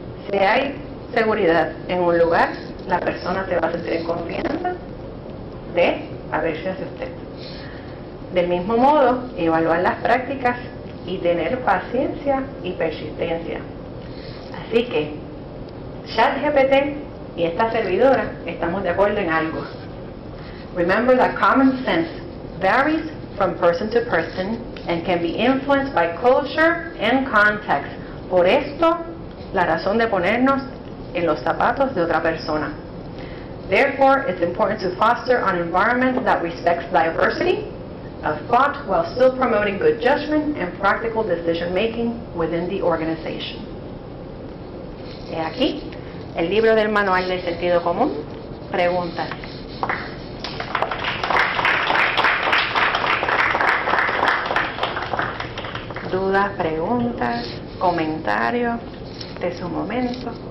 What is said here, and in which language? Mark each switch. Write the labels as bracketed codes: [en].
[es] Si hay seguridad en un lugar, la persona se va a sentir en confianza de abrirse hacia usted. Del mismo modo, evaluar las prácticas y tener paciencia y persistencia. Así que, ChatGPT y esta servidora estamos de acuerdo en algo. [en] Remember that common sense varies from person to person and can be influenced by culture and context. [es] Por esto, la razón de ponernos en los zapatos de otra persona. [en] Therefore, it's important to foster an environment that respects diversity of thought while still promoting good judgment and practical decision making within the organization. [es] He aquí el libro del manual de sentido común. Preguntas. Dudas, preguntas, comentarios de su momento.